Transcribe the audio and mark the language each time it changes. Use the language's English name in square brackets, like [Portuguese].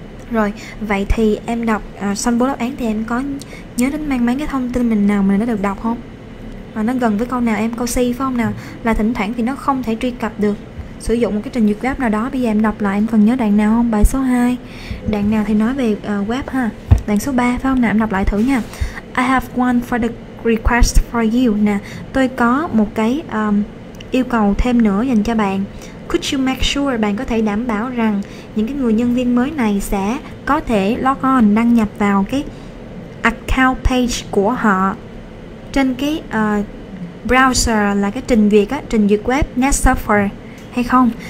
[Vietnamese] Rồi, vậy thì em đọc xong 4 đáp án thì em có nhớ đến mang máng cái thông tin mình nào mình đã được đọc không? Nó gần với câu nào em? Câu C, phải không nào? Là thỉnh thoảng thì nó không thể truy cập được sử dụng một cái trình duyệt web nào đó. Bây giờ em đọc lại, em còn nhớ đoạn nào không? Bài số 2, đoạn nào thì nói về web ha. Đoạn số 3, phải không nào? Em đọc lại thử nha. [English] I have one for the request for you. [Vietnamese] Nè, tôi có một cái yêu cầu thêm nữa dành cho bạn. [English] Could you make sure, [Vietnamese] bạn có thể đảm bảo rằng những cái người nhân viên mới này sẽ có thể log on, đăng nhập vào cái account page của họ trên cái browser, là cái trình duyệt á, trình duyệt web Netsurfer hay không?